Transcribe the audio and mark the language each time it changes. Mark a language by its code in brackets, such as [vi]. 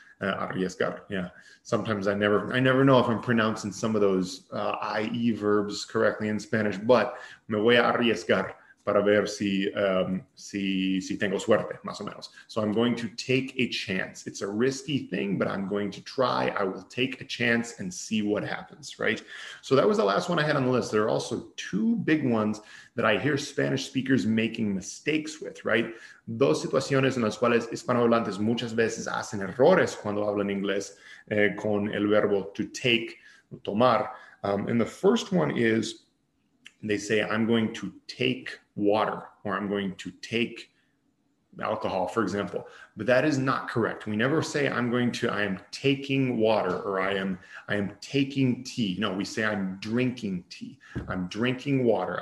[en] Arriesgar, yeah. Sometimes I never know if I'm pronouncing some of those IE verbs correctly in Spanish, but [es] me voy a arriesgar para ver si, si tengo suerte, más o menos. [en] So I'm going to take a chance. It's a risky thing, but I'm going to try. I will take a chance and see what happens, right? So that was the last one I had on the list. There are also two big ones that I hear Spanish speakers making mistakes with, right? [es] Dos situaciones en las cuales hispanohablantes muchas veces hacen errores cuando hablan inglés con el verbo to take, tomar. [en] And the first one is, they say, I'm going to take water, or I'm going to take alcohol, for example. But that is not correct. We never say, I am taking water, or I am taking tea. No, we say, I'm drinking tea. I'm drinking water.